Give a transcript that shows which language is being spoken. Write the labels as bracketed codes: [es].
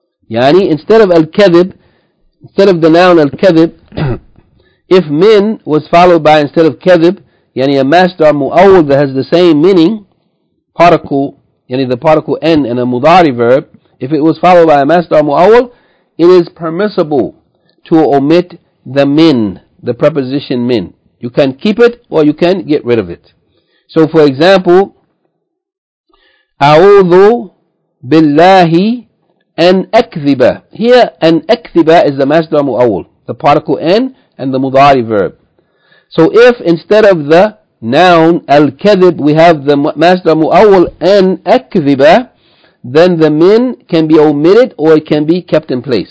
[en] Yani, instead of al-kadhib, instead of the noun al-kadhib, if min was followed by, instead of kadhib, yani a masdar mu'awwal that has the same meaning, particle, yani the particle n and a mudari verb, if it was followed by a masdar mu'awwal, it is permissible to omit the min, the preposition min. You can keep it or you can get rid of it. So, for example, [ar] أعوذ بالله أن أكذب. [en] Here, [ar] أن أكذب [en] is the masdar mu'awwal, the particle N and the mudari verb. So if instead of the noun al-kadhib, we have the masdar mu'awwal [ar] أن أكذب, [en] then the min can be omitted or it can be kept in place.